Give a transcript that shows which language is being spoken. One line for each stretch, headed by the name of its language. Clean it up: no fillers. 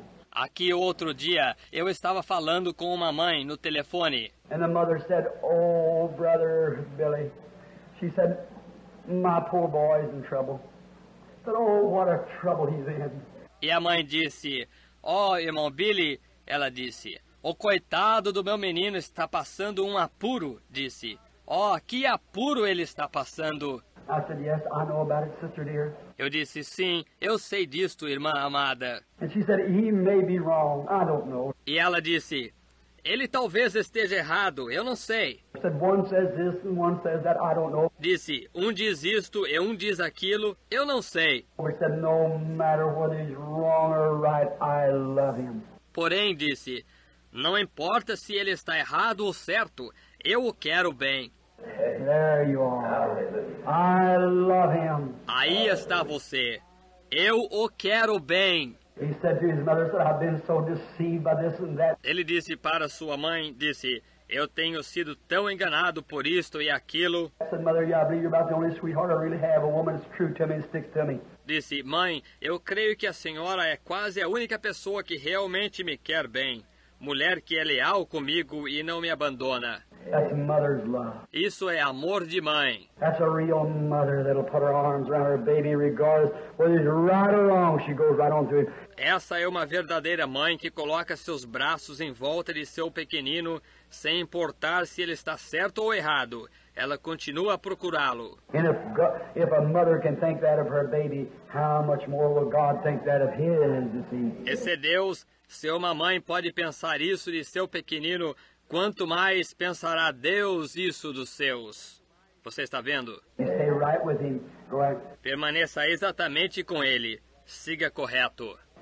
Portuguese: Aqui outro dia, eu estava falando com uma mãe no telefone.
English: And the mother said, oh, brother Billy. She said, my poor boy is in trouble. She said, oh, what a trouble he's in.
Portuguese: E a mãe disse, oh, irmão Billy, ela disse, o coitado do meu menino está passando um apuro, disse. Oh, que apuro ele está passando.
English: I said, yes, I know about it, sister dear.
Portuguese: Eu disse, sim, eu sei disto, irmã amada.
English: And she said, he may be wrong. I don't know.
Portuguese: E ela disse, ele talvez esteja errado, eu não sei.
English: I said, one says this and one says that, I don't know.
Portuguese: Disse, um diz isto e um diz aquilo, eu não sei.
English: I said, no matter whether he's wrong or right, I love him.
Portuguese: Porém, disse, não importa se ele está errado ou certo, eu o quero bem.
English: There you are. I love him.
Portuguese: Aí está você. Eu o quero bem.
English: He said to his mother, I've been so deceived by this and that.
Portuguese: Ele disse para sua mãe, disse, eu tenho sido tão enganado por isto e aquilo.
English: I said, mother, yeah, I believe you're about the only sweetheart I really have. A woman is true to me and sticks to me.
Portuguese: Disse, mãe, eu creio que a senhora é quase a única pessoa que realmente me quer bem. Mulher que é leal comigo e não me abandona.
English: That's mother's love.
Portuguese: Isso é amor de mãe.
English: That's a real mother that'll put her arms around her baby regardless whether he's right or wrong. She goes right on through.
Portuguese: Essa é uma verdadeira mãe que coloca seus braços em volta de seu pequenino sem importar se ele está certo ou errado. Ela continua a procurá-lo.
English: And if a mother can think that of her baby, how much more will God think that of his, you see?
Portuguese: Esse Deus, se uma mãe pode pensar isso de seu pequenino, quanto mais pensará Deus isso dos seus? Você está vendo?
English: Stay right with him. Go ahead.
Portuguese: Permaneça exatamente com ele. Siga correto.